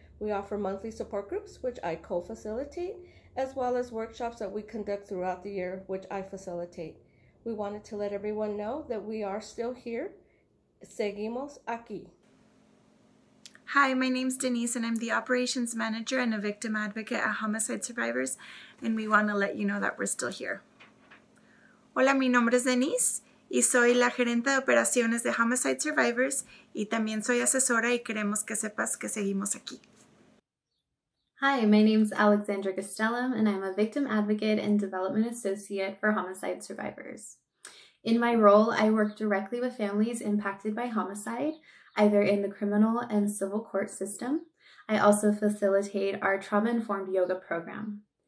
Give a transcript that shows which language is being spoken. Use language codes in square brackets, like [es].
[en] We offer monthly support groups, which I co-facilitate, as well as workshops that we conduct throughout the year, which I facilitate. We wanted to let everyone know that we are still here. [es] Seguimos aquí. [en] Hi, my name's Denise, and I'm the operations manager and a victim advocate at Homicide Survivors, and we want to let you know that we're still here. [es] Hola, mi nombre es Denise, y soy la gerente de operaciones de Homicide Survivors, y también soy asesora, y queremos que sepas que seguimos aquí. [en] Hi, my name's Alexandra Castellum, and I'm a victim advocate and development associate for Homicide Survivors. In my role, I work directly with families impacted by homicide, either in the criminal and civil court system. I also facilitate our trauma-informed yoga program.